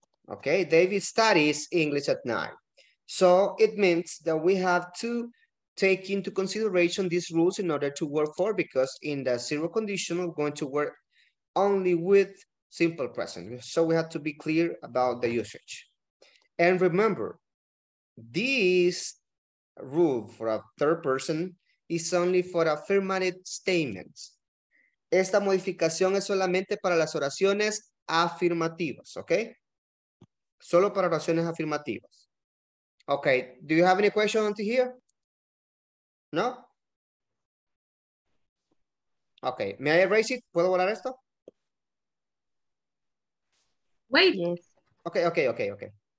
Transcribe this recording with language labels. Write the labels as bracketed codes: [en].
[en] Okay, Debbie studies English at night. So it means that we have to take into consideration these rules in order to work for, because in the zero condition, we're going to work only with simple present. So we have to be clear about the usage. And remember, this rule for a third person is only for affirmative statements. [es] Esta modificación es solamente para las oraciones afirmativas, okay? Solo para oraciones afirmativas. [en] Okay, do you have any questions until here? No? Okay, may I erase it? [es] ¿Puedo borrar esto? [en] Wait. Okay.